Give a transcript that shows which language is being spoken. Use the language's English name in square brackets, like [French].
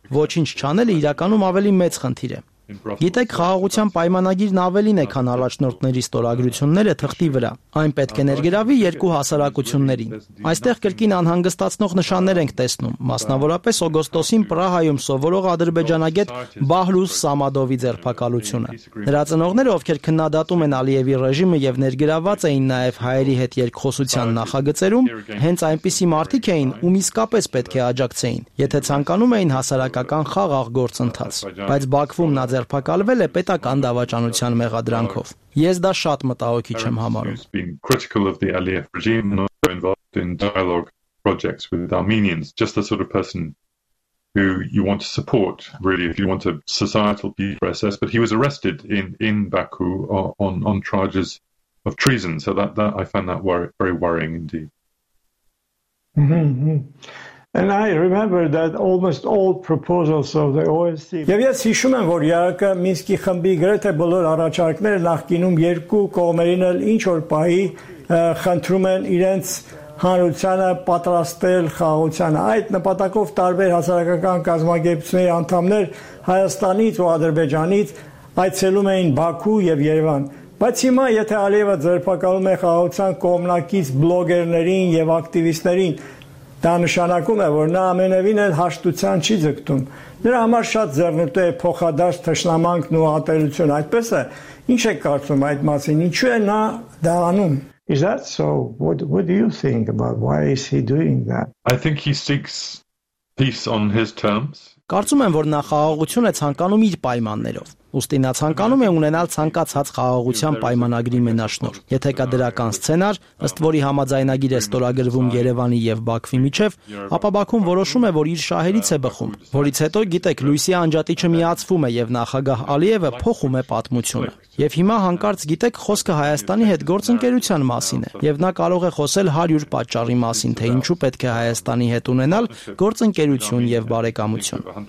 [Armenian] ոչինչ չանելը իրականում ավելի մեծ խնդիր է։ Գիտեք, խաղաղության պայմանագիրն ավելին է, քան առաջնորդների ստորագրությունները թղթի վրա։ Այն պետք է ներգրավի երկու հասարակություններին։ Այստեղ կրկին անհանգստացնող նշաններ ենք տեսնում, մասնավորապես օգոստոսին Պրահայում սովորող ադրբեջանագետ Բահլուս Սամադովի ձերբակալությունը։ Նրա ծնողները, ովքեր քննադատում են Ալիևի ռեժիմը եւ ներգրաված էին նաեւ հայերի հետ երկխոսության նախագծերում, հենց այնպիսի մարդիկ էին, ում իսկապես պետք է աջակցեին, եթե ցանկանում էին հասարակական խաղաղ գործընթաց։ Բայց Բաքվում նա ձերբակալվել է պետական դավաճանության մեղադրանքով։ Ես դա շատ մտահոգիչ եմ համարում։ [English] Being critical of the Aliyev regime and also involved in dialogue projects with Armenians, just the sort of person who you want to support, really, if you want a societal process. But he was arrested in Baku on charges of treason. So that I find that very worrying indeed. And I remember that almost all proposals of the OSCE. [Armenian] Եվ ես հիշում եմ, որ ԵԱԿ-ի Մինսկի խմբի գրեթե բոլոր առաջարկները նախկինում երկու կողմերին էլ ինչ որ պահի խնդրում են իրենց հանրությանը պատրաստել խաղաղությանը։ Այդ նպատակով տարբեր հասարակական կազմակերպությունների անդամներ Հայաստանից ու Ադրբեջանից այցելում էին Բաքու եւ Երևան։ Բայց հիմա, եթե Ալիևը ձերբակալում է խաղաղության կողմնակից բլոգերներին եւ ակտիվիստերին, դա նշանակում է, որ նա ամենևին էլ հաշտության չի ձգտում։ Նրա համար շատ ձեռնտու է փոխադարձ թշնամանքն ու ատելություն։ Այդպես է, ի՞նչ եք կարծում այդ մասին, ինչու է նա դա անում։ [English] Is that so? What do you think about why is he doing that? I think he seeks peace on his terms. [Armenian] Կարծում եմ, որ նա խաղաղություն է ցանկանում իր պայմաններով։ Ուստի նա ցանկանում է ունենալ ցանկացած խաղաղության պայմանագրի մենաշնոր։ Եթե կա դրական սցենար, ըստ որի համաձայնագիր է ստորագրվում Երևանի եւ Բաքվի միջև, ապա Բաքուն որոշում է, որ իր շահերից է բխում, որից հետո, գիտեք, լույսի անջատիչը միացվում է եւ նախագահ Ալիևը փոխում է պատմությունը։ Եվ հիմա հանկարծ, գիտեք, խոսքը Հայաստանի հետ գործընկերության մասին է, եւ նա կարող է խոսել 100 պատճառի մասին, թե ինչու պետք է Հայաստանի հետ ունենալ գործընկերություն եւ բարեկամություն։